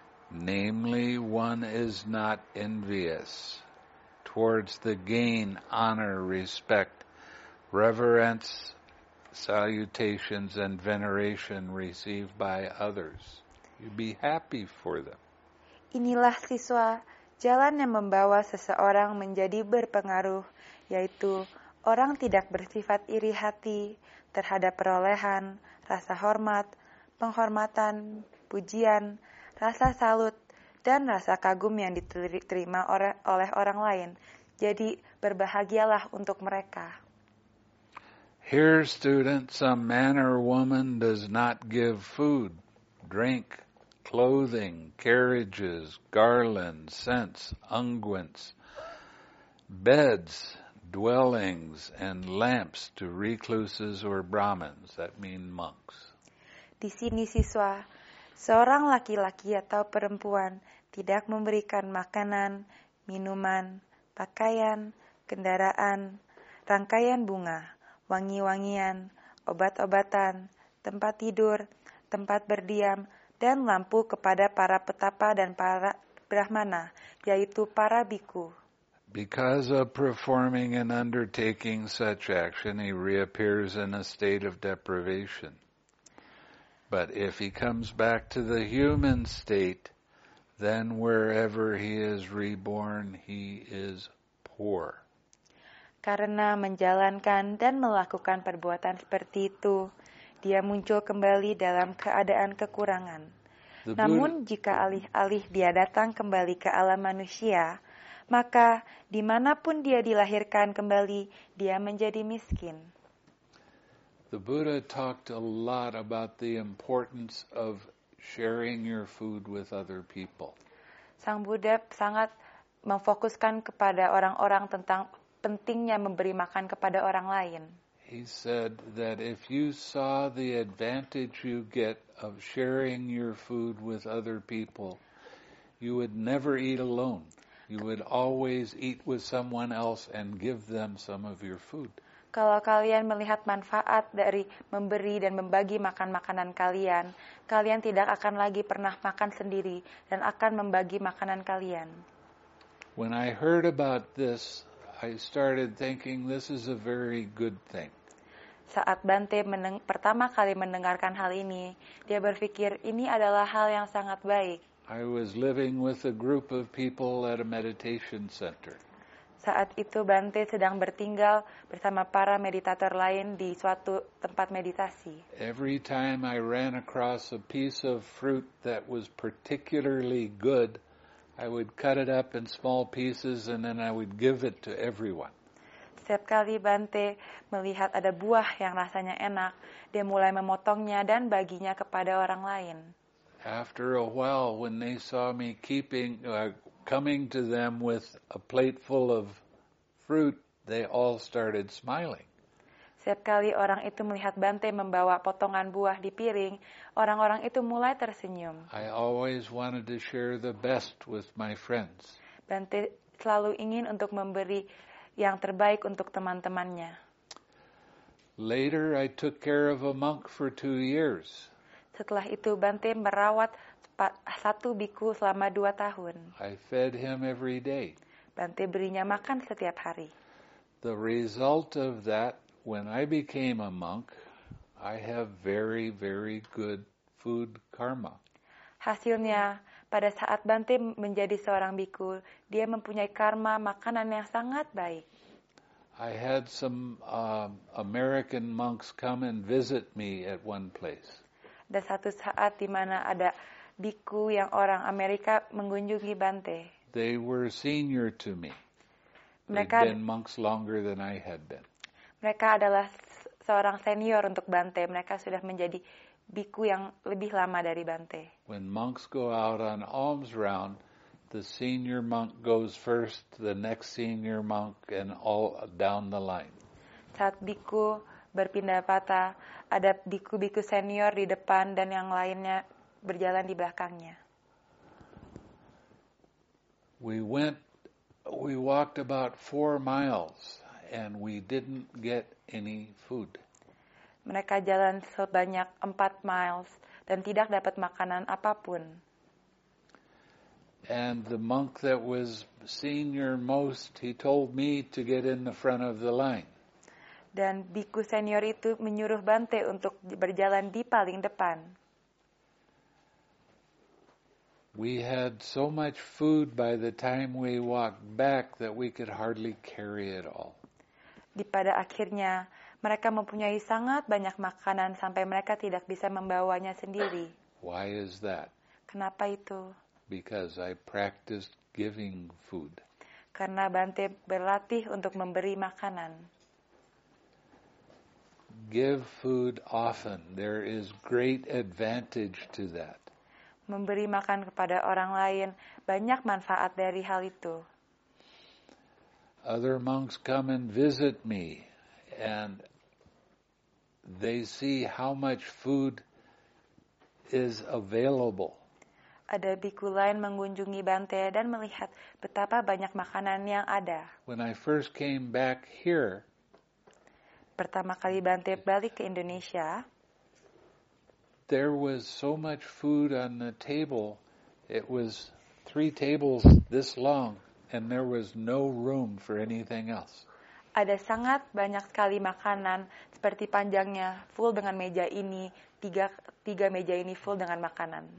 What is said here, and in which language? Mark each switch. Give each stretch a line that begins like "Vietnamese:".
English: Namely, one is not envious towards the gain, honor, respect, reverence, salutations, and veneration received by others. You be happy for them.
Indonesian: Inilah, siswa, jalan yang membawa seseorang menjadi berpengaruh, yaitu orang tidak bersifat iri hati terhadap perolehan, rasa hormat, penghormatan, pujian, rasa salut, dan rasa kagum yang diterima oleh orang lain. Jadi, berbahagialah untuk mereka.
English: Here, students, a man or woman does not give food, drink, clothing, carriages, garlands, scents, unguents, beds, dwellings, and lamps to recluses or Brahmins, that mean monks.
Indonesian: Di sini, siswa, seorang laki-laki atau perempuan tidak memberikan makanan, minuman, pakaian, kendaraan, rangkaian bunga, wangi-wangian, obat-obatan, tempat tidur, tempat berdiam, dan lampu kepada para petapa dan para brahmana, yaitu para bhikkhu.
English: Because of performing and undertaking such action, he reappears in a state of deprivation. But if he comes back to the human state, then wherever he is reborn, he is poor.
Indonesian: Karena menjalankan dan melakukan perbuatan seperti itu, dia muncul kembali dalam keadaan kekurangan. Namun jika alih-alih dia datang kembali ke alam manusia, maka dimanapun dia dilahirkan kembali, dia menjadi miskin.
English: The Buddha talked a lot about the importance of sharing your food with other people.
Indonesian: Sang Buddha sangat memfokuskan kepada orang-orang tentang pentingnya memberi makan kepada orang lain.
English: He said that if you saw the advantage you get of sharing your food with other people, you would never eat alone. You would always eat with someone else and give them some of your food.
Indonesian: Kalau kalian melihat manfaat dari memberi dan membagi makanan kalian, kalian tidak akan lagi pernah makan sendiri dan akan membagi makanan kalian.
English: When I heard about this, I started thinking this is a very good thing.
Indonesian: Saat Bante pertama kali mendengarkan hal ini, dia berpikir ini adalah hal yang sangat baik.
English: I was living with a group of people at a meditation center.
Indonesian: Saat itu Bante sedang bertinggal bersama para meditator lain di suatu tempat meditasi.
English: Every time I ran across a piece of fruit that was particularly good, I would cut it up in small pieces and then I would give it to everyone.
Indonesian: Setiap kali Bante melihat ada buah yang rasanya enak, dia mulai memotongnya dan baginya kepada orang lain.
English: After a while, when they saw me coming to them with a plate full of fruit, they all started smiling.
Indonesian: Setiap kali orang itu melihat Bante membawa potongan buah di piring, orang-orang itu mulai tersenyum.
English: I always wanted to share the best with my friends.
Indonesian: Bante selalu ingin untuk memberi yang terbaik untuk teman-temannya.
English: Later, I took care of a monk for 2 years.
Indonesian: Setelah itu, Bante merawat satu bhikkhu selama 2 tahun.
English: I fed him every day.
Indonesian: Bante berinya makan setiap hari.
English: The result of that, when I became a monk, I have very, very good food karma.
Indonesian: Hasilnya, pada saat Bante menjadi seorang bhikkhu, dia mempunyai karma makanan yang sangat baik.
English: I had some American monks come and visit me at one place.
Indonesian: Ada satu saat di mana ada bhikkhu yang orang Amerika mengunjungi Bante.
English: They were senior to me. They'd been monks longer than I had been.
Indonesian: Mereka adalah seorang senior untuk Bante. Mereka sudah menjadi biku yang lebih lama dari Bante.
English: When monks go out on alms round, the senior monk goes first, the next senior monk, and all down the line.
Indonesian: Saat biku berpindah pata, ada biku-biku senior di depan dan yang lainnya berjalan di belakangnya.
English: We walked about 4 miles and we didn't get any food.
Indonesian: Mereka jalan sebanyak 4 miles dan tidak dapat makanan apapun.
English: And the monk that was senior most, he told me to get in the front of the line.
Indonesian: Dan biku senior itu menyuruh Bante untuk berjalan di paling depan.
English: We had so much food by the time we walked back that we could hardly carry it all.
Indonesian: Di pada akhirnya, mereka mempunyai sangat banyak makanan sampai mereka tidak bisa membawanya sendiri.
English: Why is that?
Indonesian: Kenapa itu?
English: Because I practiced giving food.
Indonesian: Karena Bante berlatih untuk memberi makanan.
English: Give food often. There is great advantage to that.
Indonesian: Memberi makan kepada orang lain, banyak manfaat dari hal itu.
English: Other monks come and visit me and they see how much food is available.
Indonesian: Ada biku lain mengunjungi Bante dan melihat betapa banyak makanan yang ada.
English: When I first came back here,
Indonesian: pertama kali Bante balik ke Indonesia,
English: there was so much food on the table, it was 3 tables this long, and there was no room for anything else.
Indonesian: Ada sangat banyak sekali makanan, seperti panjangnya, full dengan meja ini, tiga meja ini full dengan makanan.